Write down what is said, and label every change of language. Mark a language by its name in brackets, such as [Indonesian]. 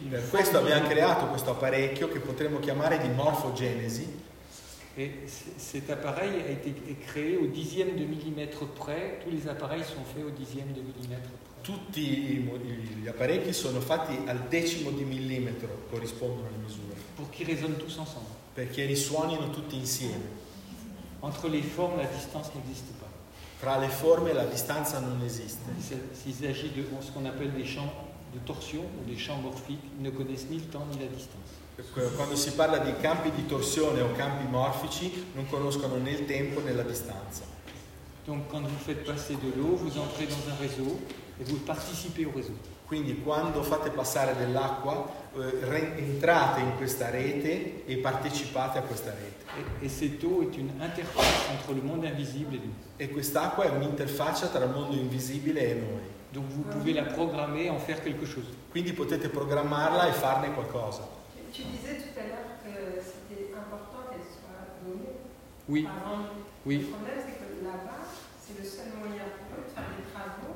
[Italian] Questo abbiamo creato questo apparecchio che potremmo chiamare di morfogenesi. [French] Et cet appareil a été créé au dixième de millimètre près. Tous les appareils sont faits au dixième de millimètre près. [Italian] Tutti gli apparecchi sono fatti al decimo di millimetro, corrispondono alle misure. [French] Pour qu'ils résonnent tous ensemble. [Italian] Perché risuonino tutti insieme. [French] Entre les formes, la distance n'existe pas. [Italian] Fra le forme la distanza non esiste. [French] S'il s'agit de ce qu'on appelle des champs de torsion ou des champs morphiques, ils ne connaissent ni le temps ni la distance. [Italian] Quando si parla di campi di torsione o campi morfici, non conoscono né il tempo né la distanza. [French] Donc quand vous faites passer de l'eau, vous entrez dans un réseau et vous participez au réseau. [Italian] Quindi quando fate passare dell'acqua, entrate in questa rete e partecipate a questa rete. [French] E cette eau est une interface entre le monde invisible et nous. [Italian] E quest'acqua è un'interfaccia tra il mondo invisibile e noi. [French] Donc vous pouvez la programmer en faire quelque chose. [Italian] Quindi potete programmarla e farne qualcosa. [French] Tu disais tout à l'heure que c'était important qu'elle soit donnée. Oui. Avant. Oui. Le problème, c'est que là-bas, c'est le seul moyen pour eux de faire des travaux.